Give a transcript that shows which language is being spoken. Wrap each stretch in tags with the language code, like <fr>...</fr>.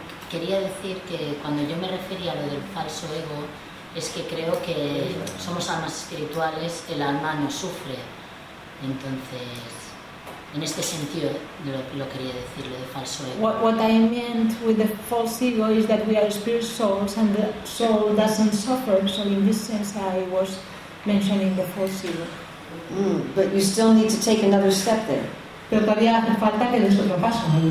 <es>Quería decir que cuando yo me refería a lo del falso ego, es que creo que somos almas espirituales, el alma no sufre. Entonces, en este sentido lo quería decir, lo de falso ego.</es> <en>What I meant with the false ego is that we are spirit souls and the soul doesn't suffer. So in this sense I was mentioning the false ego. But you still need to take another step there.</en> <es>Pero todavía hace falta que des otro paso.</es>